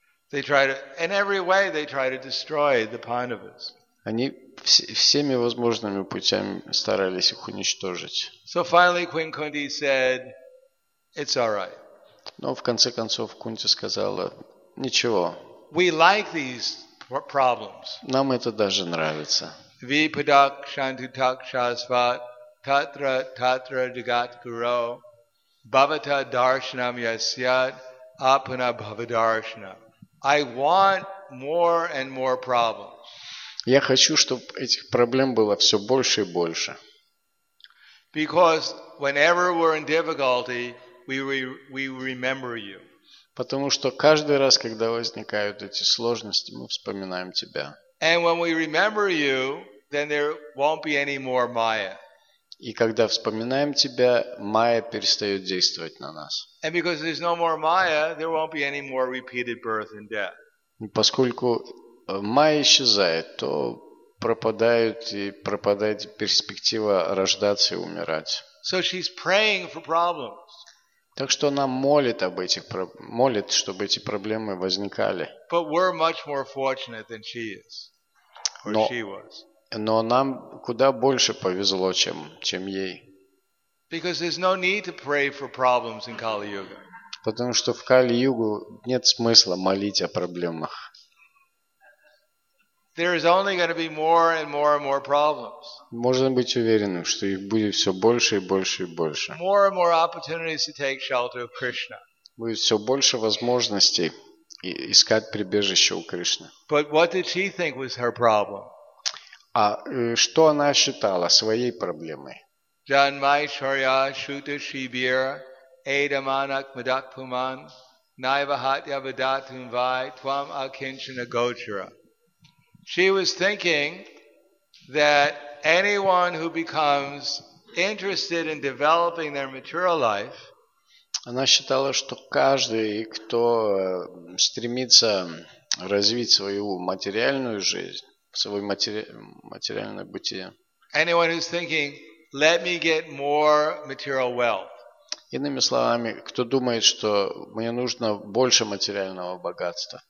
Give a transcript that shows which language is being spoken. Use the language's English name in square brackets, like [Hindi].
[English] They try to, in every way, they try to destroy the Pandavas. [Russian] Они всеми возможными путями старались их уничтожить. [English] So finally Queen Kunti said, "It's all right." [Russian] Но в конце концов Кунти сказала: "Ничего." [English] We like these problems. [Russian] Нам это даже нравится. [Sanskrit] Vipadak shantutak shasvat tatra tatra jagat guru bhavata darshanam yasyat apana bhavadarshana. [English] I want more and more problems. [Russian] Я хочу, чтобы этих проблем было все больше и больше. [English] Because whenever we're in difficulty, we remember you. [Russian] Потому что каждый раз, когда возникают эти сложности, мы вспоминаем тебя. [English] And when we remember you, then there won't be any more Maya. [Russian] И когда вспоминаем тебя, Майя перестает действовать на нас. [English] And because there's no more Maya, there won't be any more repeated birth and death. [Russian] Поскольку Майя исчезает, то пропадают и пропадает перспектива рождаться и умирать. [English] So she's praying for problems. [Russian] Так что она молит об этих, молит, чтобы эти проблемы возникали. [English] But we're much more fortunate than she is, or she was. [Russian] Но нам куда больше повезло, чем ей. [English] Because there's no need to pray for problems in Kali-Yuga. [Russian] Потому что в Кали-Югу нет смысла молить о проблемах. [English] There is only going to be more and more and more problems. [Russian] Можно быть уверенным, что их будет все больше и больше и больше. [English] More and more opportunities to take shelter of Krishna. [Russian] Будет все больше возможностей искать прибежище у Кришны. [English] But what did she think was her problem? [Russian] А что она считала своей проблемой? [Sanskrit] Janmai Sharya Shuta Shibira Edamanak Madakpuman Naivahatya Vadatum Vai Twam Akinchana Gochara. [English] She was thinking that anyone who becomes interested in developing their material life, [Russian] она считала, что каждый, кто стремится развить свою материальную жизнь, свое материальное бытие, [English] anyone who's thinking, let me get more material wealth, [Russian] иными словами, кто думает, что мне нужно больше материального богатства,